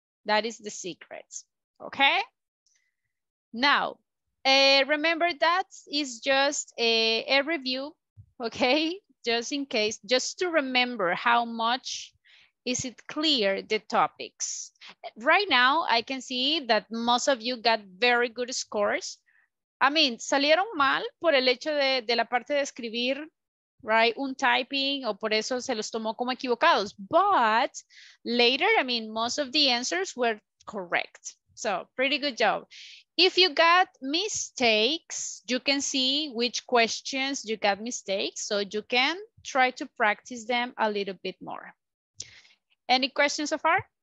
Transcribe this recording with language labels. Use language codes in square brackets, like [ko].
[en] That is the secret, okay? Now, remember, that is just a review, okay? Just in case, just to remember how much is it clear, the topics. Right now, I can see that most of you got very good scores. I mean, [es] salieron mal por el hecho de la parte de escribir, [en] right? [es] Un typing, o por eso se los tomó como equivocados. [en] But later, I mean, most of the answers were correct. So pretty good job. If you got mistakes, you can see which questions you got mistakes. So you can try to practice them a little bit more. Any questions so far?